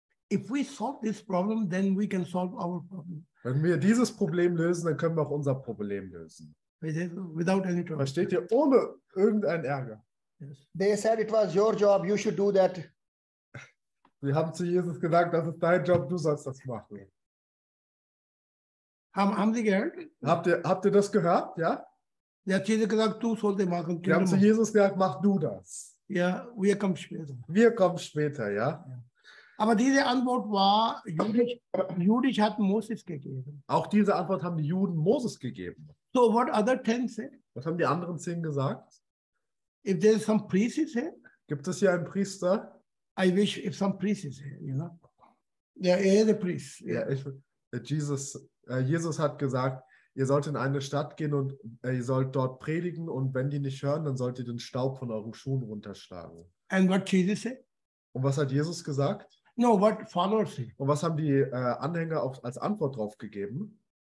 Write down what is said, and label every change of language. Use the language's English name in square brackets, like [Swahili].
[English] If we solve this problem, then we can solve our problem. [German] Wenn wir dieses Problem lösen, dann können wir auch unser Problem lösen. [English] Without any trouble. [German] Versteht ihr? Ohne irgendeinen Ärger. [English] Yes. They said it was your job, you should do that. [German] Sie haben zu Jesus gesagt, das ist dein Job, du sollst das machen. Haben Sie gehört? Habt ihr das gehört? Ja? Sie hat Jesus gesagt, du sollst das machen. Sie haben zu Jesus gesagt, mach du das. Ja, wir kommen später. Wir kommen später, ja? Aber diese Antwort war, Judith hat Moses gegeben. Auch diese Antwort haben die Juden Moses gegeben. [English] So what other 10 say? [German] Was haben die anderen 10 gesagt? [English] If there is some priest is here. [German] Gibt es hier einen Priester? [English] I wish if some priest is here, you know. Yeah, he is a priest. Yeah. [German] Jesus hat gesagt, ihr sollt in eine Stadt gehen und ihr sollt dort predigen und wenn die nicht hören, dann sollt ihr den Staub von euren Schuhen runterschlagen. [English] And what Jesus say? [German] Und was hat Jesus gesagt? [English] No, what followers say? [German] Und was haben die Anhänger auch als Antwort drauf gegeben?